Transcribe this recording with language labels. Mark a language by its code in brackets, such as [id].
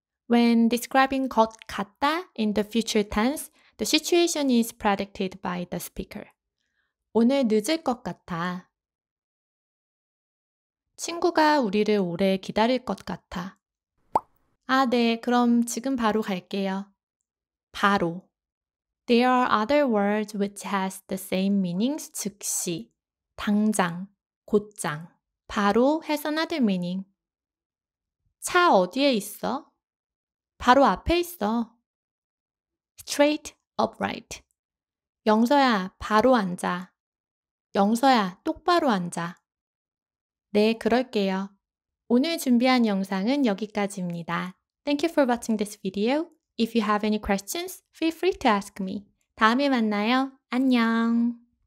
[en] When describing 것 같다 in the future tense, the situation is predicted by the speaker. [ko] 오늘 늦을 것 같아. 친구가 우리를 오래 기다릴 것 같아. 아, 네. 그럼 지금 바로 갈게요. 바로. [en] There are other words which has the same meanings. [ko] 즉시, 당장, 곧장. [en] 바로 has another meaning. [ko] 차 어디에 있어? 바로 앞에 있어. [en] Straight upright. [ko] 영서야, 바로 앉아. 영서야, 똑바로 앉아. 네, 그럴게요. 오늘 준비한 영상은 여기까지입니다. [en] Thank you for watching this video. If you have any questions, feel free to ask me. [ko] 다음에 만나요. 안녕.